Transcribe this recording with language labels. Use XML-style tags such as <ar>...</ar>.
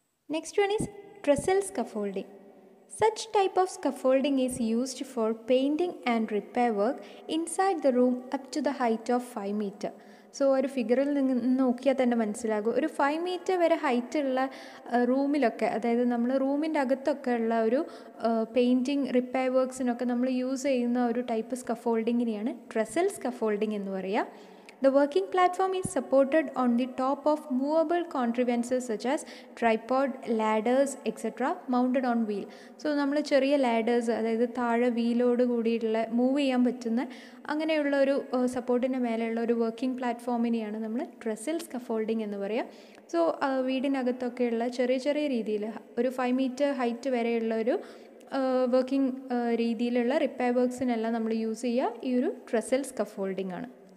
<en>Next one is trestle scaffolding. Such type of scaffolding is used for painting and repair work inside the room up to the height of 5 meters.</en> <ml>So ഒരു ഫിഗറിൽ നിന്ന് നോക്കിയാൽ തന്നെ മനസ്സിലാകും, ഒരു 5 meters വരെ ഹൈറ്റുള്ള റൂമിലൊക്കെ, അതായത് നമ്മൾ റൂമിൻ്റെ അകത്തൊക്കെ ഉള്ള ഒരു പെയിൻറ്റിങ് റിപ്പയർ വർക്ക്സിനൊക്കെ നമ്മൾ യൂസ് ചെയ്യുന്ന ഒരു ടൈപ്പ് സ്കഫോൾഡിങ്ങിനെയാണ് ട്രെസൽ സ്കഫോൾഡിങ് എന്ന് പറയുക.</ml> <en>The working platform is supported on the top of movable contrivances such as tripod, ladders, etc. mounted on wheel.</en> <ml>So, നമ്മള് ചെറിയ ladders, അതായത് താഴെ വീലോട് കൂടിയിട്ടുള്ള മൂവ് ചെയ്യാൻ പറ്റുന്ന അങ്ങനെയുള്ള ഒരു സപ്പോർട്ടിൻ്റെ മേലെയുള്ള ഒരു വർക്കിംഗ് പ്ലാറ്റ്ഫോമിനെയാണ് നമ്മൾ ട്രസിൽ സ്കഫോൾഡിംഗ് എന്ന് പറയുക. സോ വീടിനകത്തൊക്കെയുള്ള ചെറിയ ചെറിയ രീതിയിൽ ഒരു 5 meter ഹൈറ്റ് വരെയുള്ള ഒരു വർക്കിംഗ് രീതിയിലുള്ള റിപ്പയർ വർക്ക്സിനെല്ലാം നമ്മൾ യൂസ് ചെയ്യുക ഈ ഒരു ട്രസിൽ സ്കഫോൾഡിംഗ് ആണ്.</ml>